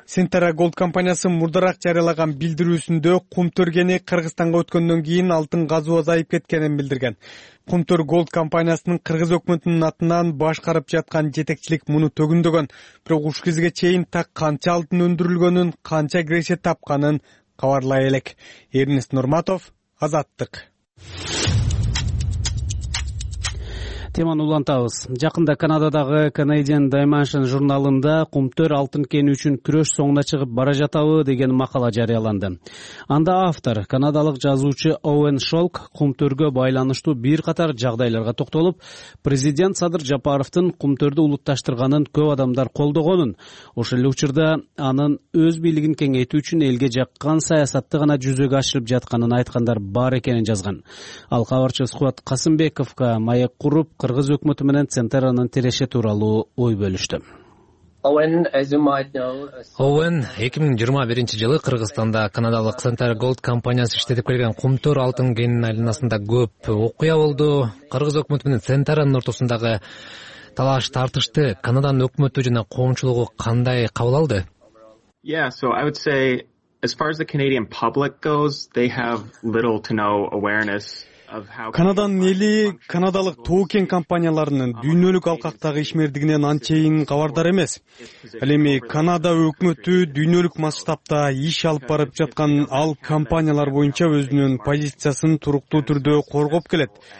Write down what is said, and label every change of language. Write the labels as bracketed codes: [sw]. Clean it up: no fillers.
[ky] Сентара Gold компаниясы мурдараак жарыялаган билдирүүсүндө Кумтур кени Кыргызстанга өткөндөн кийин алтын казуу азайып кеткенин билдирген. Кумтур Gold компаниясынын кыргыз өкмөтүнүн атынан башкарып жаткан жетекчилик муну төгүндөгөн, бирок ушул кезге чейин так канча алтын өндүрүлгөнүн, канча киреше тапканын кабарлай элек. Эрнис Нурматов, Азаттык. Теманы улантабыз. Жакында Канададагы Canadian Dimension журналында Кумтур алтын кени үчүн күрөш соңуна чыгып бара жатабы деген макала жарыяланды. Анда автор, канадалык жазуучу Оуэн Шолк, Кумтурго байланыштуу бир катар жагдайларга токтолуп, президент Садыр Жапаровдун Кумтурду улутташтырганын көп адамдар колдогонун, ошол эле учурда анын өз бийлигин кеңейтүү үчүн элге жаккан саясатты гана жүзөгө ашырып жатканын айткандар бар экенин жазган. Ал кабарчыбыз Кубат Касымбековго маек куруп, кыргыз өкмөтү менен центранын тиреше тууралуу ой бөлүштү. Оуэн 2021 жылы Кыргызстанда канадалык Центр Gold компаниясы иштетип келген Кумтур алтын кенин айланасында көп окуя болду. Кыргыз өкмөтү менен центранын ортосундагы талаш тартышты Канаданын өкмөтү жана коомчулугу кандай кабыл алды? [en] As far as the Canadian public goes, they have little to no awareness. [ky] Канаданын эли канадалык тоо кен компанияларынын дүйнөлүк алкактагы ишмердигинен анчейин кабардар эмес. Ал эми Канада өкмөтү дүйнөлүк масштабта иш алып барып жаткан ал компаниялар боюнча өзүнүн позициясын туруктуу түрдө коргоп келет.